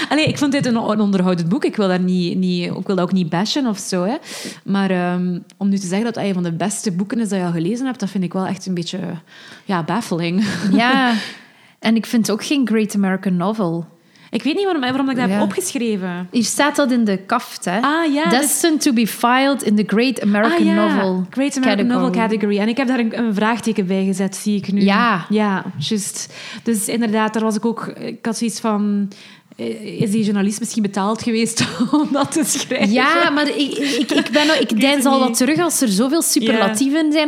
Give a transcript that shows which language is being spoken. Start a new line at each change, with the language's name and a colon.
Dutch: Allee, ik vond dit een onderhoudend boek. Ik wil daar niet bashen of zo. Hè. Maar om nu te zeggen dat een van de beste boeken is dat je al gelezen hebt, dat vind ik wel echt een beetje baffling. Ja, en ik vind het ook geen Great American Novel. Ik weet niet waarom ik dat heb opgeschreven. Hier staat dat in de kaft, hè. Ah, ja.
English: Destined to be filed in the Great American Novel category. Great American Novel category.
Dutch: En ik heb daar een vraagteken bij gezet, zie ik nu. Ja. Ja, juist. Dus inderdaad, daar was ik ook... Ik had zoiets van... Is die journalist misschien betaald geweest om dat te schrijven? Ja, maar ik deins al wat terug als er zoveel superlatieven zijn.